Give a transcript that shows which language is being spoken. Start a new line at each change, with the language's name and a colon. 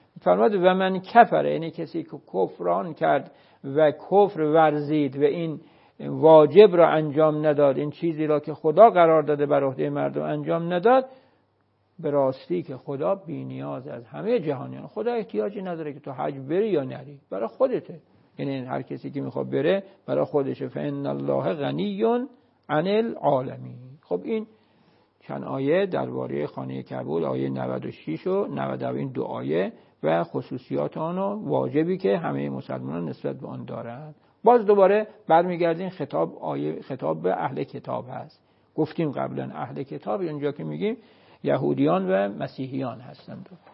Persian: میفرماید و من کفره، یعنی کسی که کفران کرد و کفر ورزید و این واجب را انجام نداد، این چیزی را که خدا قرار داده بر عهده مردم انجام نداد، به راستی که خدا بی نیاز از همه جهانیان. خدا احتیاجی نداره که تو حج بری یا نری، برای خودته. یعنی هر کسی که میخواد بره برای خودشه.
Arabic: فإن الله غنی عن العالمین.
Persian: خب این چند آیه درباره خانه کبول، آیه 96 و 99، این دو آیه و خصوصیات آن و واجبی که همه مسلمانان نسبت به آن دارند. باز دوباره برمیگردیم، خطاب آیه، خطاب به اهل کتاب هست. گفتیم قبلا اهل کتاب اینجا که میگیم یهودیان و مسیحیان هستند.